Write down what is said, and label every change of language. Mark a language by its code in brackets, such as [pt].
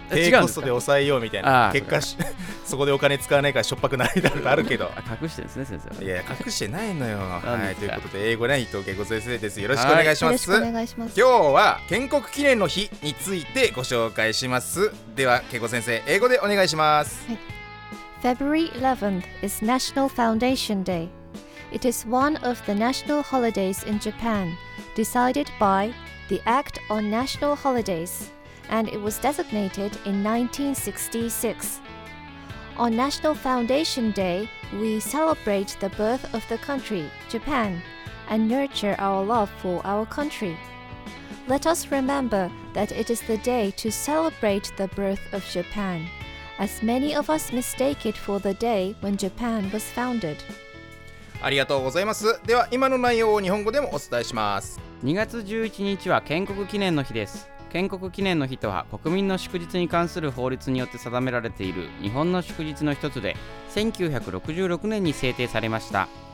[ja] 低コストで抑えようみたいな。結果そこでお金使わないからしょっぱくないだろうとあるけど隠してですね、先生。いや、隠してないのよ。はい、ということで英語ね、伊藤恵子先生です。よろしくお願いします。よろしくお願いします。今日は建国記念の日についてご紹介します。では恵子先生、英語でお願いします。 [en] はい、 February 11th is National Foundation Day. It is one of the national holidays in Japan, decided by the Act on National Holidays, and it was designated in 1966. On National Foundation Day, we celebrate the birth of the country, Japan, and nurture our love for our country. Let us remember that it is the day to celebrate the birth of Japan, as many of us mistake it for the day when Japan was founded. [ja] ありがとうございます。では今の内容を日本語でもお伝えします。 2月11日は建国記念の日です。建国記念の日とは、国民の祝日に関する法律によって定められている日本の祝日の一つで、1966年に制定されました。